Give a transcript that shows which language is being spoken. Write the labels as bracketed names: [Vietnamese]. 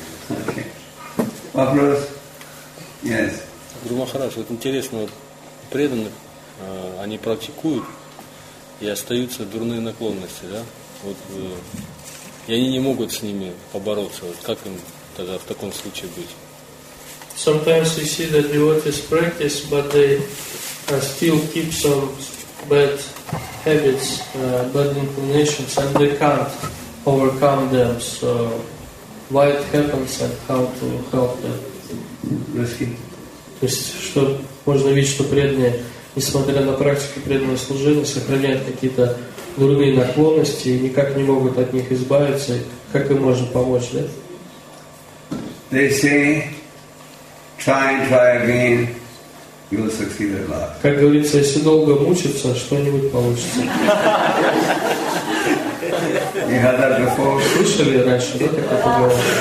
[English] Okay. [Russian] Вопрос? [English] Yes. [Russian] Гуру Махарадж, вот интересно, вот преданных, они практикуют и остаются дурные наклонности, да? Вот, и они не могут с ними побороться. Вот как им тогда в таком случае быть? [English] Sometimes we see that devotees practice, but they still keep some bad habits, bad inclinations, and they can't overcome them. So why it happens and how to help them? [Russian] То есть, что можно видеть, что преданные, несмотря на практику преданного служения, сохраняют какие-то дурные наклонности и никак не могут от них избавиться. Как им можно помочь, да? [English] They say, try and try again, you will succeed at last. [Russian] Как говорится, если долго мучиться, что-нибудь получится. [English] You heard that before? [Russian] Слышали раньше, да, как это было?